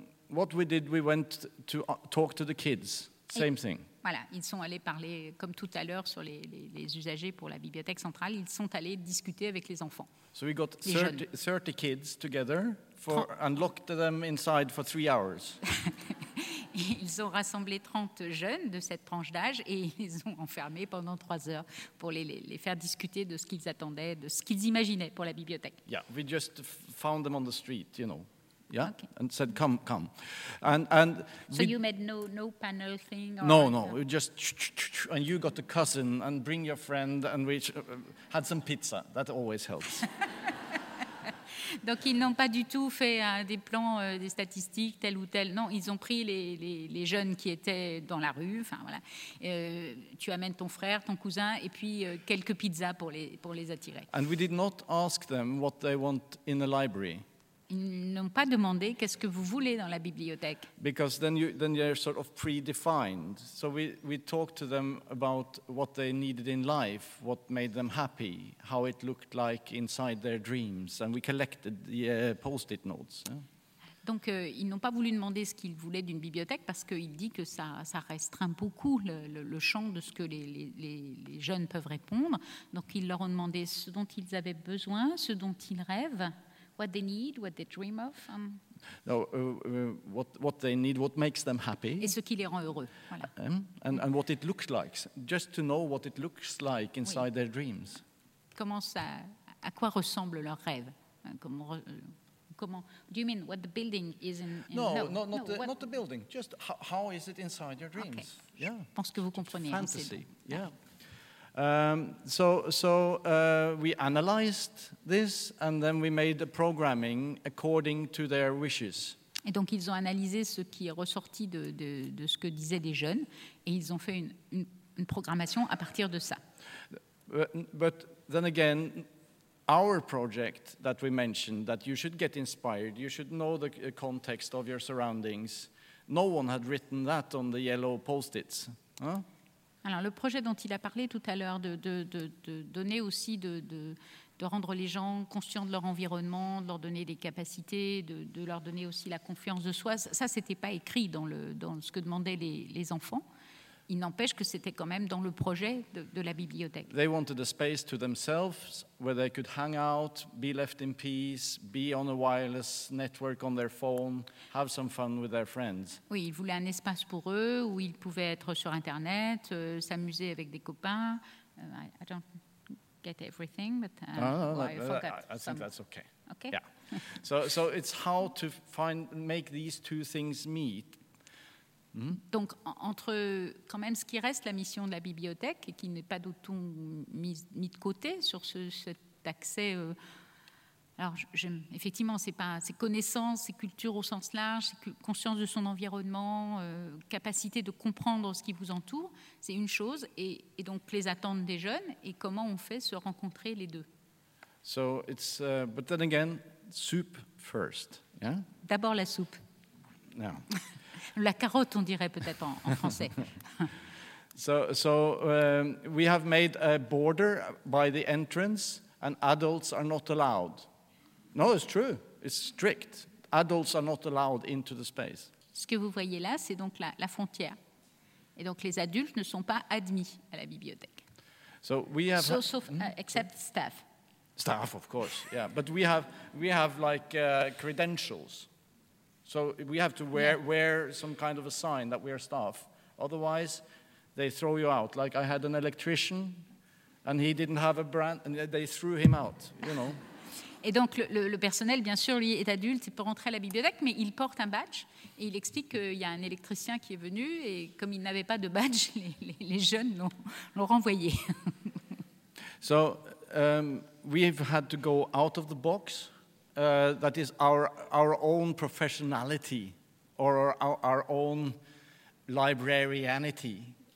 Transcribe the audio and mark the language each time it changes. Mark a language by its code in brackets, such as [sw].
[en] What we did, we went to talk to the kids. Same thing. [fr] Voilà, ils sont allés parler comme tout à l'heure sur les usagers pour la bibliothèque centrale. Ils sont allés discuter avec les enfants. [en] So we got 30 kids together and locked them inside for 3 hours. [fr] ils ont rassemblé 30 jeunes de cette tranche d'âge et ils ont enfermé pendant 3 heures pour les faire discuter de ce qu'ils attendaient, de ce qu'ils imaginaient pour la bibliothèque. [en] Yeah, we just found them on the street, you know. Yeah, okay. And said, "Come, come." And so you made no panel thing. No. We just and you got a cousin and bring your friend and we had some pizza. That always helps. [fr] Donc ils n'ont pas du tout fait des plans, des statistiques, tel ou tel. Non, ils ont pris les jeunes qui étaient dans la rue. Enfin voilà. Tu amènes ton frère, ton cousin, et puis quelques pizzas pour les attirer. [en] And we did not ask them what they want in the library. [fr] Ils n'ont pas demandé qu'est-ce que vous voulez dans la bibliothèque. [en] Because then you're sort of predefined. So we talked to them about what they needed in life, what made them happy, how it looked like inside their dreams, and we collected the post-it notes. [fr] Donc ils n'ont pas voulu demander ce qu'ils voulaient d'une bibliothèque parce qu'il dit que ça restreint beaucoup le champ de ce que les jeunes peuvent répondre. Donc ils leur ont demandé ce dont ils avaient besoin, ce dont ils rêvent. [en] What they need, what they dream of. What they need, what makes them happy. [fr] Et ce qui les rend heureux. Voilà. [en] And what it looks like, just to know what it looks like inside their dreams. [fr] Comment ça, à quoi ressemble leur rêve? Comment? [en] Do you mean what the building is in? Not the building. Just how is it inside your dreams? Okay. Yeah. [fr] Je pense que vous comprenez. [en] Fantasy. Yeah. Ah. So we analyzed this and then we made the programming according to their wishes. [fr] Et donc ils ont analysé ce qui est ressorti de ce que disaient les jeunes et ils ont fait une programmation à partir de ça. [en] But then again, our project that we mentioned, that you should get inspired, you should know the context of your surroundings, no one had written that on the yellow post-its. [fr] Alors, le projet dont il a parlé tout à l'heure, de donner aussi, de rendre les gens conscients de leur environnement, de leur donner des capacités, de leur donner aussi la confiance de soi, ça, ce n'était pas écrit dans ce que demandaient les enfants. Il n'empêche que c'était quand même dans le projet de la bibliothèque. [en] They wanted a space to themselves where they could hang out, be left in peace, be on a wireless network on their phone, have some fun with their friends. [fr] Oui, ils voulaient un espace pour eux où ils pouvaient être sur Internet, s'amuser avec des copains. [en] I don't get everything, but I think that's okay. Okay. Yeah. So it's how to make these two things meet. [fr] Donc, entre quand même ce qui reste, la mission de la bibliothèque, et qui n'est pas du tout mis de côté sur cet accès. Alors, effectivement, c'est connaissance, c'est culture au sens large, c'est conscience de son environnement, capacité de comprendre ce qui vous entoure, c'est une chose. Et donc, les attentes des jeunes, et comment on fait se rencontrer les deux. [en] So, it's, but then again, soup first. Yeah? [fr] D'abord la soupe. [en] Yeah. [fr] La carotte, on dirait peut-être en français. [en] We have made a border by the entrance, and adults are not allowed. No, it's true. It's strict. Adults are not allowed into the space. [fr] Ce que vous voyez là, c'est donc la frontière. Et donc les adultes ne sont pas admis à la bibliothèque. [en] So we have. Except staff. Staff, of course. Yeah, but we have like credentials. So we have to wear some kind of a sign that we are staff. Otherwise, they throw you out. Like I had an electrician, and he didn't have a brand, and they threw him out, you know. [fr] Et donc le personnel, bien sûr, lui est adulte, il peut rentrer à la bibliothèque, mais il porte un badge, et il explique qu'il y a un électricien qui est venu, et comme il n'avait pas de badge, les jeunes l'ont renvoyé. [en] So we've had to go out of the box. That is our own professionality, or our own librarianity.